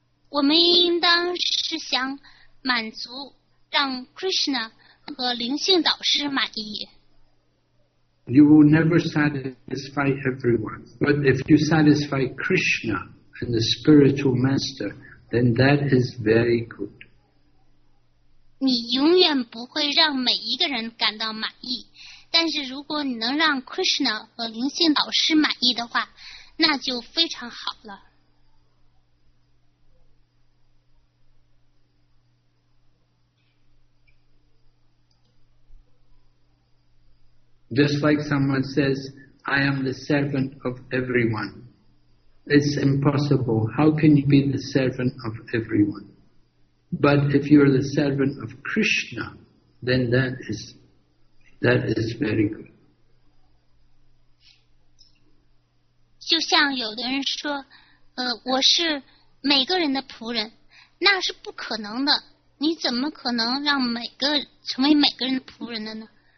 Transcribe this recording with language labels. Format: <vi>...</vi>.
<zh>我们应当是想满足让 Krishna 和灵性导师满意。</zh> <en>You will never satisfy everyone, but if you satisfy Krishna,and the spiritual master, then that is very good. 你永远不会让每一个人感到满意，但是如果你能让 Krishna 和灵性导师满意的话，那就非常好了。 Just like someone says, I am the servant of everyone. It's impossible. How can you be the servant of everyone? But if you're the servant of Krishna, then that is very good.</en> <zh>就像有的人说，我是每个人的仆人，那是不可能的。你怎么可能让每个成为每个人的仆人的呢？</zh>